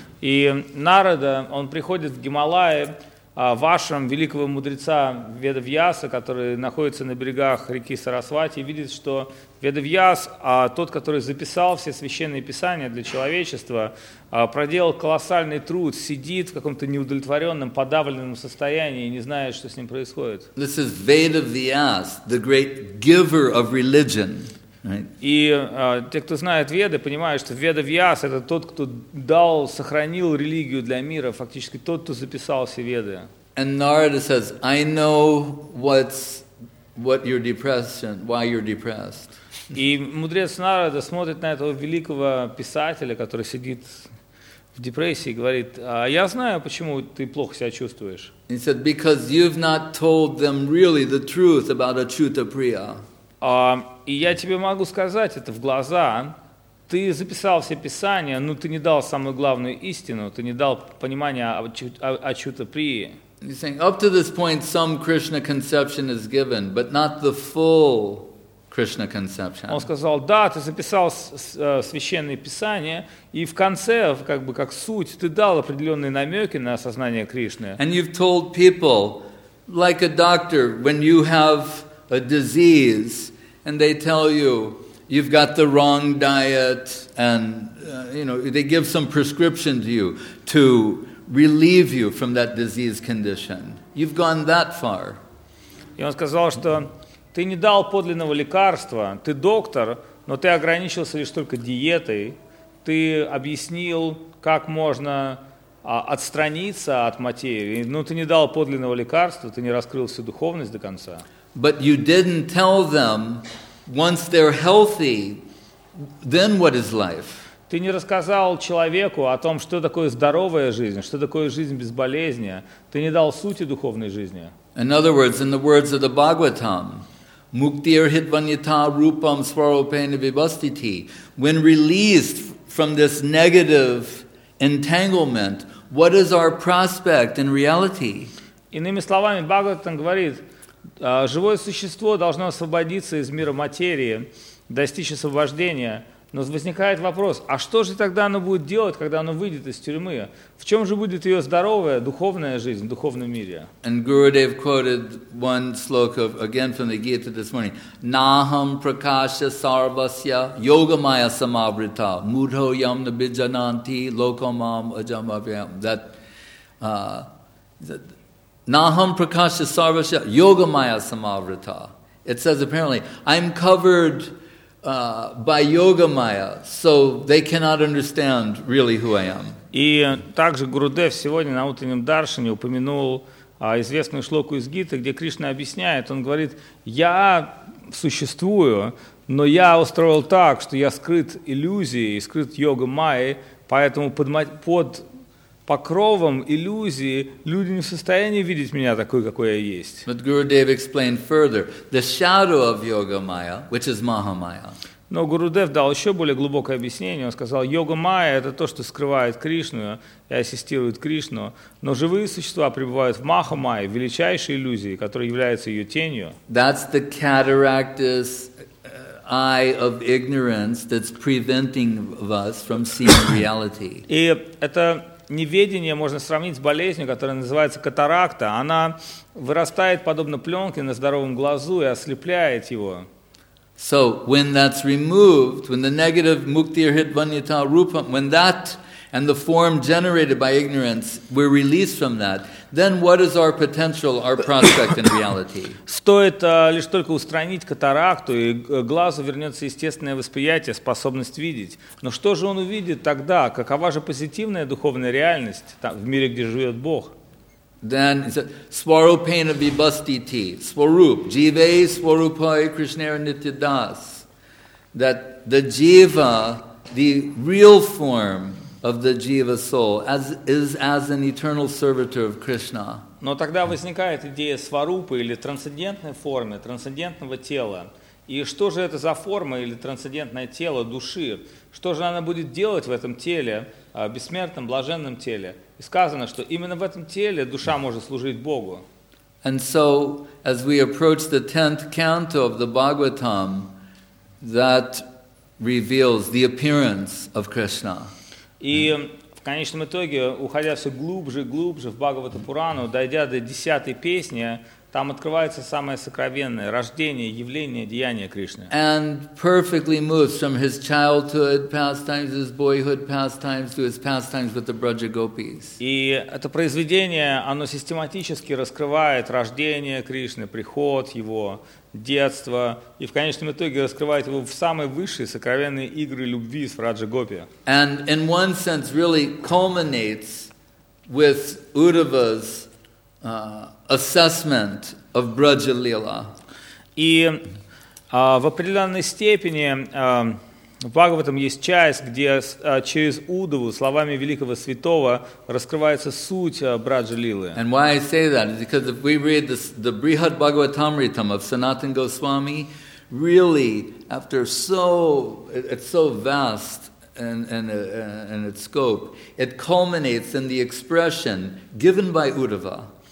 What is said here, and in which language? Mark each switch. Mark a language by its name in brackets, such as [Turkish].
[Russian] И Нарада, он приходит в Гималаи, в ашрам великого мудреца Ведавьяса, который находится на берегах реки Сарасвати, и видит, что Ведавьяс, тот, который записал все священные писания для человечества, проделал колоссальный труд, сидит в каком-то неудовлетворенном, подавленном состоянии и не знает, что с ним происходит. [English] This is Ведавьяс, the great giver of religion. Right. [Russian] И те, кто знает Веды, понимают, что Ведавьяс – это тот, кто дал, сохранил религию для мира, фактически тот, кто записал все Веды. [English] And Narada says, I know what your depression, why you're depressed. [Russian] И мудрец Нарада смотрит на этого великого писателя, который сидит в депрессии, и говорит: «А я знаю, почему ты плохо себя чувствуешь». [English] He said, because you've not told them really the truth about Achyuta Priya. [Russian] И я тебе могу сказать это в глаза. Ты записал все писания, но ты не дал самую главную истину. Ты не дал понимания Achyuta Priya. [English] He's saying, up to this point, some Krishna conception is given, but not the full Krishna conception. [Russian] Он сказал: да, ты записал священные писания, и в конце, как бы как суть, ты дал определенные намеки на осознание Кришны. [English] And you've told people, like a doctor, when you have a disease, and they tell you you've got the wrong diet, and they give some prescription to you to relieve you from that disease condition. You've gone that far. [Russian] И он сказал, что ты не дал подлинного лекарства, ты доктор, но ты ограничился лишь только диетой, ты объяснил, как можно отстраниться от материи, но ты не дал подлинного лекарства, ты не раскрыл всю духовность до конца. [English] But you didn't tell them, once they're healthy, then what is life? [Russian] Ты не рассказал человеку о том, что такое здоровая жизнь, что такое жизнь без болезни, ты не дал сути духовной жизни. [English] In other words, in the words of the Bhagavatam, [Sanskrit] Muktir hitvanyata rupam swaropena vibhastiti. [English] When released from this negative entanglement, what is our prospect in reality? [Russian] Иными словами, Бхагаватам говорит, живое существо должно освободиться из мира материи, достичь освобождения. Но возникает вопрос, а что же тогда оно будет делать, когда оно выйдет из тюрьмы? В чем же будет ее здоровая, духовная жизнь, в духовном мире? [English] And Gurudev quoted one sloka again from the Gita this morning. [Sanskrit] Naham prakasha sarvasya yogamaya samavrita mudho yam nabijananti lokomam ajamavyam. That Naham prakasha sarvasya yogamaya samavrita. [English] It says apparently, I'm covered by yoga maya, so they cannot understand really who I am. [Russian] И также Гурудев сегодня на утреннем даршане упомянул известную шлоку из Гиты, где Кришна объясняет, он говорит, я существую, но я устроил так, что я скрыт иллюзией, скрыт йога майей, поэтому под покровом иллюзии люди не в состоянии видеть меня такой, какой я есть. [English] But Gurudev explained further, the shadow of yoga maya, which is mahamaya. [Russian] Но Гурудев дал еще более глубокое объяснение. Он сказал, йога майя – это то, что скрывает Кришну и ассистирует Кришну, но живые существа пребывают в махамайе, величайшей иллюзии, которая является ее тенью. [English] That's the cataract's eye of ignorance that's preventing us from seeing reality. [Russian] И это неведение можно сравнить с болезнью, которая называется катаракта. Она вырастает подобно пленке на здоровом глазу и ослепляет его. [English] So when that's removed, when the negative [Sanskrit] muktir hitvanyata rupam, [English] when that and the form generated by ignorance we're released from that, then what is our potential, our prospect in reality? [Russian] Стоит лишь только устранить катаракту, и глазу вернется естественное восприятие, способность видеть. Но что же он увидит тогда? Какова же позитивная духовная реальность там, в мире, где живет Бог? [English] Then he said, [Sanskrit] Swaropena Vibhastiti, [Bangla] Swarup, Jive Swarupai Krishnara Nityadas. [English] That the Jiva, the real form of the Jiva soul, is as an eternal servitor of Krishna. [Russian] Но тогда возникает идея Сварупы или трансцендентной формы, трансцендентного тела. И что же это за форма или трансцендентное тело души? Что же она будет делать в этом теле, бессмертном, блаженном теле? И сказано, что именно в этом теле душа может служить Богу. [English] And so, as we approach the 10th canto of the Bhagavatam, that reveals the appearance of Krishna. [Russian] И в конечном итоге, уходя все глубже и глубже в Бхагавата Пурану, дойдя до 10-й песни, там открывается самое сокровенное – рождение, явление, деяние Кришны. [English] And perfectly moves from his childhood pastimes, his boyhood pastimes, to his pastimes with the Braja Gopis. [Russian] И это произведение, оно систематически раскрывает рождение Кришны, приход его, детство, и в конечном итоге раскрывает его в самые высшие сокровенные игры любви с Раджа Гопи. [English] And in one sense really culminates with Uddhava's assessment of Braja Lila. [Russian] И в определенной степени в Бхагаватам есть часть, где через Удаву, словами великого святого, раскрывается суть Браджа Лилы. [English] And why I say that is because if we read the Brihad Bhagavatamritam of Sanatan Goswami, really, after so, it's so vast and its scope, it culminates in the expression given by Uddhava.